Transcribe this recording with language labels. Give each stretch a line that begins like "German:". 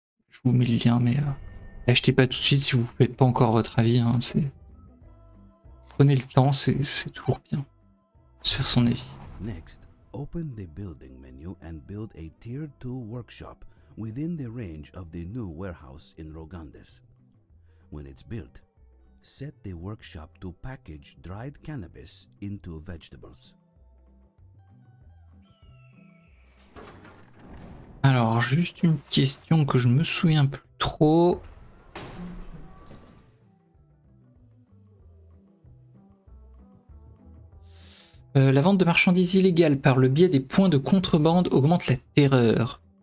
French: Je vous mets le lien, mais achetez pas tout de suite si vous ne faites pas encore votre avis. Hein, prenez le temps, c'est toujours bien de se faire son avis.
English: Next, open the building menu and build a tier 2 workshop within the range of the new warehouse in Rogandes. When it's built, set the workshop to package dried cannabis into vegetables.
French: Alors, juste une question que je me souviens plus trop. La vente de marchandises illégales par le biais des points de contrebande augmente la terreur.